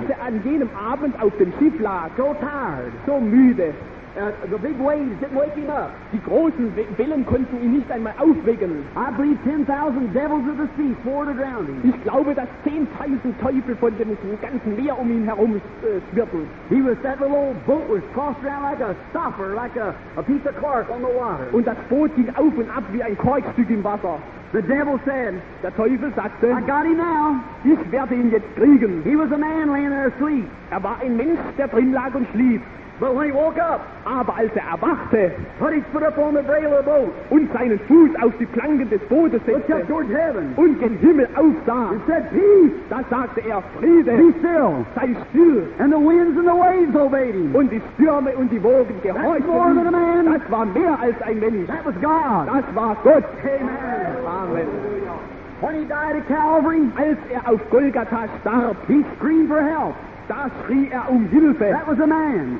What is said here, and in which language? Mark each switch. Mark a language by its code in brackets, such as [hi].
[de] als er an jenem Abend auf dem Schiff lag, [en] so tired, [de] so müde, [en] The big waves didn't wake him up. [de] Die großen Wellen konnten ihn nicht einmal aufwecken. [en] I believe 10,000 devils of the sea floated around him. [de] Ich glaube, dass 10,000 Teufel von dem ganzen Meer um ihn herum schwirrten. [en] He was that little old boat was tossed around like a stopper, like a piece of cork on the water. [de] Und das Boot ging auf und ab wie ein Korkstück im Wasser. [en] The devil said, [de] der Teufel sagte, [en] I got him now. [de] Ich werde ihn jetzt kriegen. [en] He was a man laying there asleep. [de] Er war ein Mensch, der drin lag und schlief. [en] But when he woke up, [de] aber als erwachte, [en] put his foot up on the rail of the boat, [de] und seinen Fuß auf die Planken des Bootes setzte, [en] looked up towards heaven, [de] und den Himmel aufsah, [en] and said, peace, [de] da sagte er, Friede, [en] be still, [de] sei still, [en] and the winds and the waves obeyed him, [de] und die Stürme und die Wogen gehorchten. [en] That's more than a man. [de] Das war mehr als ein Mensch. [en] That was God. [de] Das war Gott. [en] Amen. [de] Amen. [en] When he died at Calvary, [de] als auf Golgatha starb, [en] he screamed for help. [de] Da schrie Hilfe. [en] That was a man.